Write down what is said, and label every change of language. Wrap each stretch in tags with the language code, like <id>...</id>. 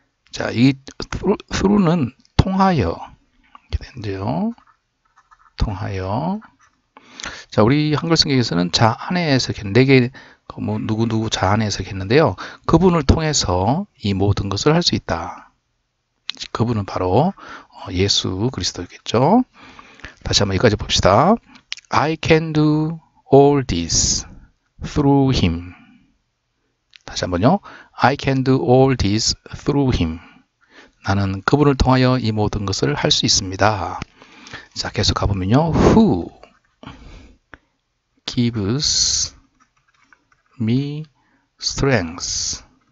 <ko>자, 이 through는 통하여. 이렇게 된대요. 통하여. 자, 우리 한글 성경에서는 자 안에서 이렇게 네 개, 뭐, 누구누구 자 안에서 이렇게 했는데요. 그분을 통해서 이 모든 것을 할수 있다. 그분은 바로 예수 그리스도겠죠. 다시 한번 여기까지 봅시다.</ko> <en>I can do all this through him.</en> <ko>다시 한번요.</ko> <en>I can do all this through him.</en> <ko>나는 그분을 통하여 이 모든 것을 할수 있습니다. 자, 계속 가보면요.</ko> <en>Who gives me strength?</en>